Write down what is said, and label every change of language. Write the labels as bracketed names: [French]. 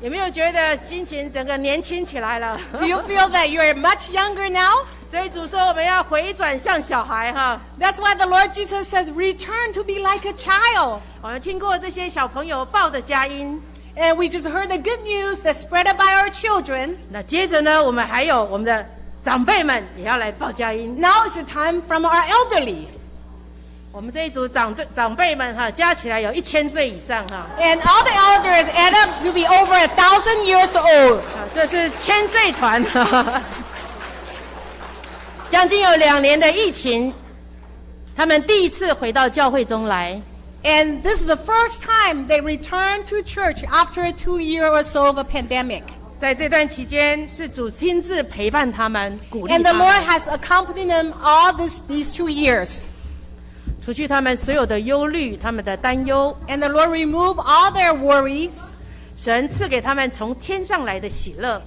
[English] Do you feel that you are much younger now? [Chinese] 所以主说我们要回转像小孩哈。 [English] That's why the Lord Jesus says, "Return to be like a child." [Chinese] 我们听过这些小朋友报的佳音。 [English] And we just heard the good news that spread by our children. [Chinese] 那接着呢，我们还有我们的长辈们也要来报佳音。 [English] Now is the time from our elderly. [Chinese] 我们这一组长辈们哈，加起来有一千岁以上哈。 [English] And all the elders add up to be over 1,000 years old. [Chinese] 这是千岁团，将近有两年的疫情，他们第一次回到教会中来。 [English] And this is the first time they returned to church after a 2 year or so of a pandemic. [Chinese] 在这段期间，是主亲自陪伴他们，鼓励他们。 [English] And the Lord has accompanied them all these 2 years. [Chinese] 除去他们所有的忧虑，他们的担忧。 [English] And the Lord removed all their worries. [Chinese] 神赐给他们从天上来的喜乐